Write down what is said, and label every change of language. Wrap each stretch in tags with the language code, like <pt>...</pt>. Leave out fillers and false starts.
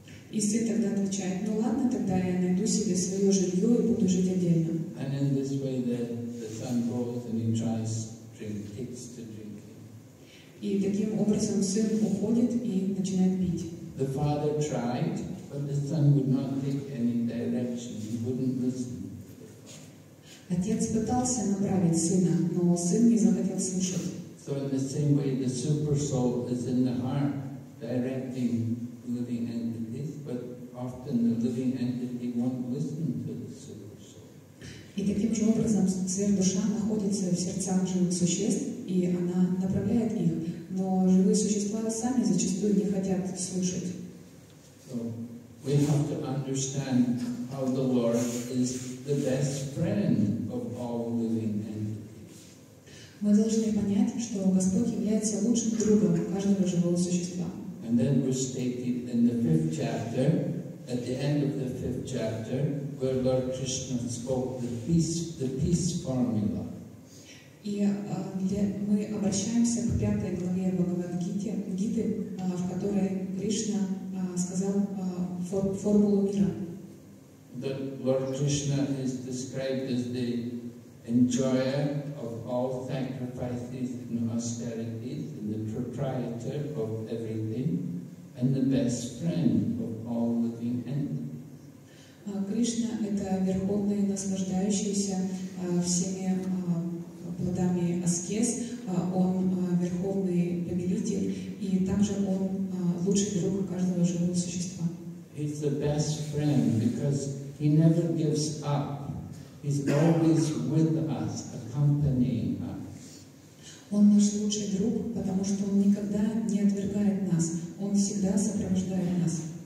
<ru>И сын тогда отвечает: ну ладно, тогда я найду себе свое жилье и буду жить отдельно.</ru> <en>And in this way the son goes and he tries takes to drink.</en> <ru>И таким образом сын уходит и начинает пить.</ru> <en>The father tried, but the son would not take any direction. He wouldn't listen.</en> <ru>Отец пытался направить сына, но сын не захотел слушать.</ru> <en>So in the same way the super soul is in the heart directing living entities, but often the living entity won't listen to the super soul.</en> <ru>И таким же образом сверхдуша находится в сердцах живых существ, и она направляет их, но живые существа сами зачастую не хотят слушать.</ru> <en>So we have to understand how the Lord is the best friend of all living entities.</en> <ru>Мы должны понять, что Господь является лучшим другом каждого живого существа.</ru> <en>And then we're stated in the fifth chapter, at the end of the fifth chapter, where Lord Krishna spoke the peace formula.</en> <ru>И мы обращаемся к пятой главе Бхагавад-гиты, в которой Кришна сказал формулу мира.</ru> <en>That Lord Krishna is described as the enjoyer of all sacrifices and austerities, and the proprietor of everything, and the best friend of all living entities.</en> <ru>Кришна — это верховный, наслаждающийся всеми плодами аскез. Он верховный повелитель, и также он лучший друг каждого живого существа.</ru> <en>He's the best friend because he never gives up. He's always with us, accompanying us.</en> <ru>Он наш лучший друг, потому что он никогда не отвергает нас. Он всегда сопровождает нас.</ru>